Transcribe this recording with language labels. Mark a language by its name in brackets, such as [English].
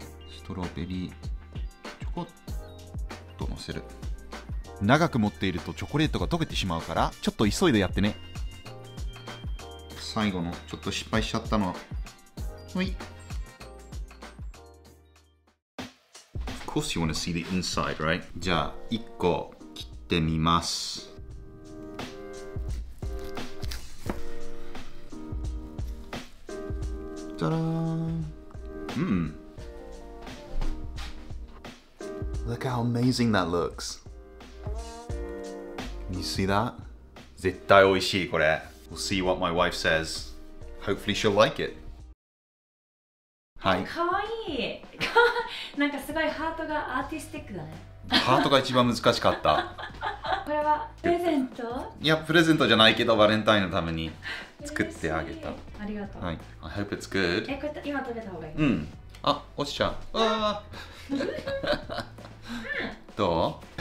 [Japanese] ストロベリーチョコっと乗せる。長く持っているとチョコレートが溶けてしまうから、ちょっと急いでやってね。最後のちょっと失敗しちゃったの。はい。 [English] Of course you want to see the inside, right? [Japanese] じゃあ、一個切ってみます。たらーん。うん。 [English] Look how amazing that looks. You see that? [Japanese] 絶対美味しい、これ。 [English] We'll see what my wife says. Hopefully she'll like it. [Japanese] はい。かわいい。なんかすごいハートがアーティスティックだね。ハートが一番難しかった。これはプレゼント？いや、プレゼントじゃないけど、バレンタインのために作ってあげた。ありがとう。 [English] はい。I hope it's good. [Japanese] え、これ今食べた方がいい。うん。あ、落ちちゃう。わぁ。どう？